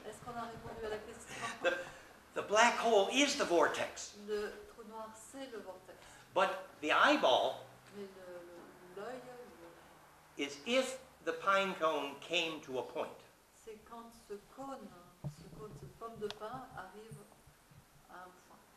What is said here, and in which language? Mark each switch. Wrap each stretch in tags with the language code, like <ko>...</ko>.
<fr>Est-ce qu'on a répondu à la question?</fr> <en>The black hole is the vortex.</en> <fr>Le trou noir, c'est le vortex.</fr> <en>But the eyeball</en> <fr>l'œil,</fr> <en>is if the pine cone came to a point.</en> <fr>C'est quand ce pomme de pin arrive à un point.</fr>